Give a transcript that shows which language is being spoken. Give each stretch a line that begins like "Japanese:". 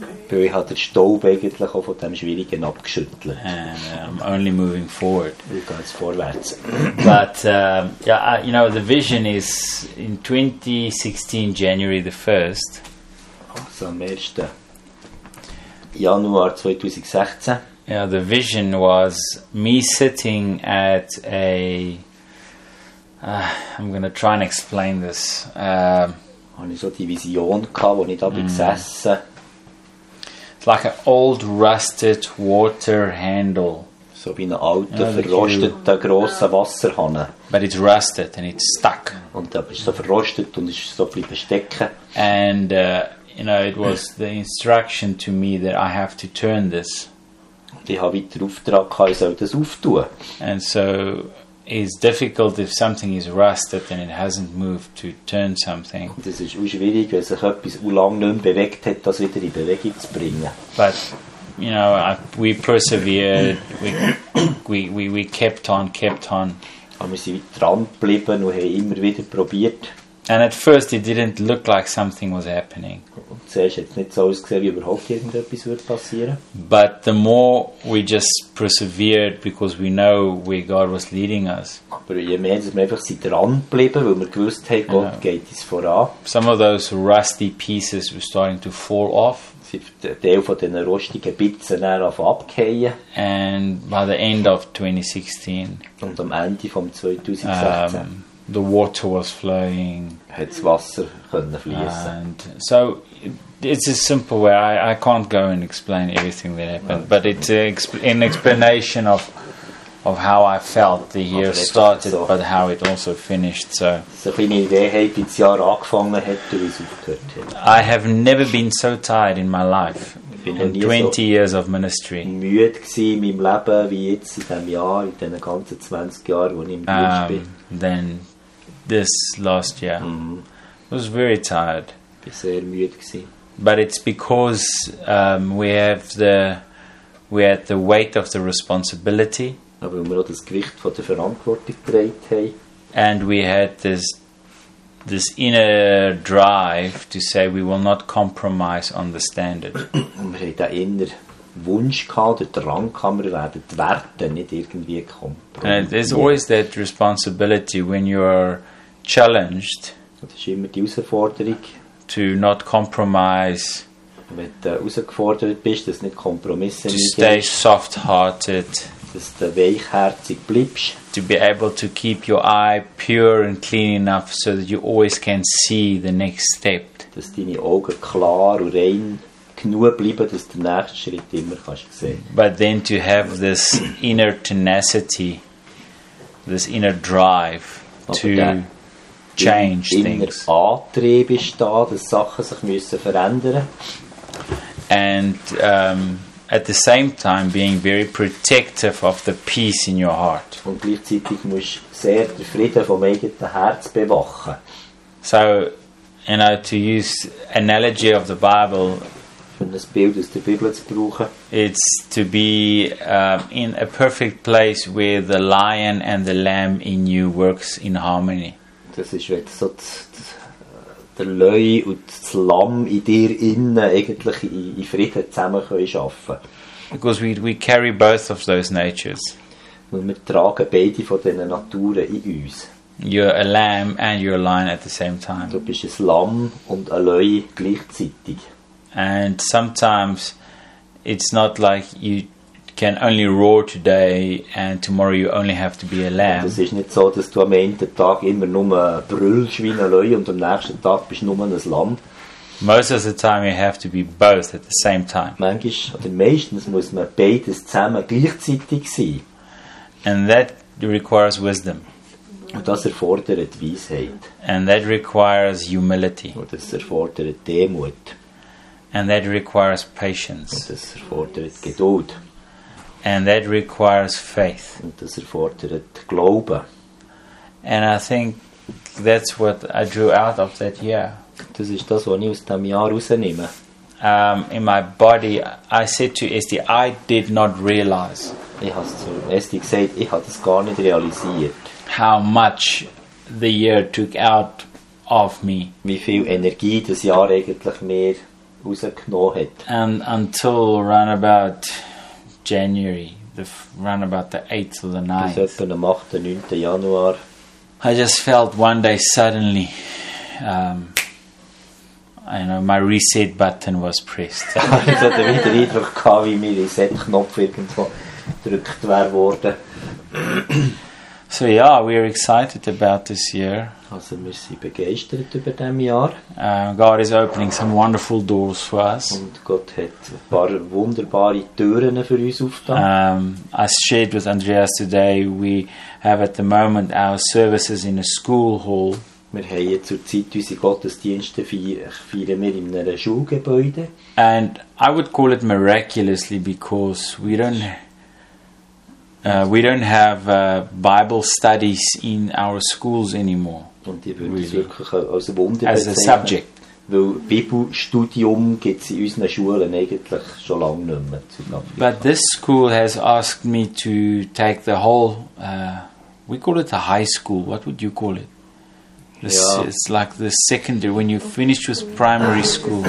German: Weil ich den Staub eigentlich auch von dem Schwierigen abgeschüttelt.
English: And I'm only moving forward.
German: Wie geht's vorwärts?
English: But, you know, the vision is in 2016, January the 1st.
German: Also am 1. Januar 2016.
English: Yeah, the vision was me sitting at a... I'm going to try and explain this.
German: Habe ich so die Vision gehabt, wo ich da bin gesessen.
English: It's like an old rusted water handle.
German: So wie eine alte, verrostete, grosse Wasserhanne.
English: But it's rusted and it's stuck.
German: Und da ist so verrostet und ist so blieb stecken.
English: And, you know, it was the instruction to me that I have to turn this.
German: Und ich habe weiter Auftrag gehabt, ich soll das auftun.
English: And so it's difficult if something is rusted and it hasn't moved to turn something.
German: Und es ist auch schwierig, wenn sich etwas so lange nicht mehr bewegt hat, das wieder in Bewegung zu bringen.
English: But, you know, we persevered, we kept on.
German: Aber wir sind weiter dran geblieben und haben immer wieder probiert.
English: And at first it didn't look like something was happening.
German: Zuerst hat es nicht so ausgesehen, wie überhaupt irgendetwas würde passieren.
English: But the more we just persevered, because we know where God was leading us.
German: Aber je mehr, dass wir einfach sind dran geblieben, weil wir gewusst haben, Gott geht uns voran.
English: Some of those rusty pieces were starting to fall off.
German: Ein Teil von diesen rostigen Bitzen einfach abgefallen.
English: And by the end of 2016.
German: Und am Ende vom 2016.
English: The water was flowing.
German: Hat das Wasser können fließen.
English: And so it's a simple way. I can't go and explain everything that happened, but it's an explanation of how I felt the year started, so, but how it also finished. So.
German: So eine Idee, hey, das Jahr angefangen hat, wie es aufgehört hat.
English: I have never been so tired in my life in 20 so years of ministry.
German: Müde gsi in meinem Leben wie jetzt in dem Jahr, in den ganzen 20 Jahren, wo ich im Dienst bin.
English: Then this last year. I was very tired.
German: Bin sehr müde gewesen.
English: But it's because we had the weight of the responsibility.
German: Aber wir auch das Gewicht von der Verantwortung getragen haben.
English: And we had this inner drive to say we will not compromise on the standard.
German: Und wir hatten den inneren Wunsch gehabt, den Drang gehabt, wir werden die Werte nicht irgendwie kommen.
English: And there's always that responsibility when you are challenged to not compromise, to stay soft-hearted, to be able to keep your eye pure and clean enough so that you always can see the next step.
German: Dass deine Augen klar und rein genug bleiben, dass du den nächsten Schritt immer kannst sehen.
English: But then to have this inner tenacity, this inner drive to change things.
German: Antrieb ist da, dass Sachen sich müssen verändern.
English: And at the same time being very protective of the peace in your heart.
German: Und gleichzeitig musst du sehr den Frieden vom eigenen Herz bewachen.
English: So, you know, to use analogy of the Bible,
German: für das Bild aus der Bibel zu brauchen.
English: It's to be in a perfect place where the lion and the lamb in you works in harmony.
German: Das ist, wenn so der Löwe und das Lamm in dir innen eigentlich in Frieden zusammen können schaffen.
English: Because we carry both of those natures.
German: Weil wir tragen beide von diesen Naturen in uns.
English: You're a lamb and you're a lion at the same time.
German: Du bist ein Lamm und ein Löwe gleichzeitig.
English: And sometimes it's not like you can only roar today and tomorrow you only have to be a lamb.
German: Es ist nicht so, dass du am einen Tag immer nur brüllst wie ein Löwe und am nächsten Tag bist du nur ein Lamm.
English: Most of the time you have to be both at the same time.
German: Manchmal, oder meistens muss man beides zusammen gleichzeitig sein.
English: And that requires wisdom.
German: Und das erfordert Weisheit.
English: And that requires humility.
German: Und das erfordert Demut.
English: And that requires patience.
German: Und das erfordert Geduld.
English: And that requires faith.
German: Und das erfordert Glauben.
English: And I think that's what I drew out of that year.
German: Das ist das, was ich aus dem Jahr rausnehme.
English: In my body, I said to Esti, I did not realize.
German: Ich habe zu Esti gesagt, ich habe das gar nicht realisiert.
English: How much the year took out of me.
German: Wie viel Energie das Jahr eigentlich mir rausgenommen hat.
English: And until around about January, around about the 8th or the 9th.
German: Bis etwa am 8. 9. Januar.
English: I just felt one day suddenly, I know my reset button was pressed.
German: Ich hatte wieder den Eindruck gehabt, wie mein Reset-Knopf irgendwo gedrückt wurde.
English: So yeah, we're excited about this year.
German: Also wir sind begeistert über dem Jahr.
English: God is opening some wonderful doors for us.
German: Und Gott hat ein paar wunderbare Türen für uns aufgetan.
English: I shared with Andreas today, we have at the moment our services in a school hall.
German: Wir haben jetzt zur Zeit unsere Gottesdienste feiern wir in einem Schulgebäude.
English: And I would call it miraculously because we don't have Bible studies in our schools anymore.
German: Und ich würde es wirklich als Wunder bezeichnen.
English: As a subject.
German: Weil Bibelstudium gibt es in unseren Schulen eigentlich schon lange nicht mehr.
English: But this school has asked me to take the whole, we call it a high school, what would you call it? It's like the secondary, when you finish with primary school.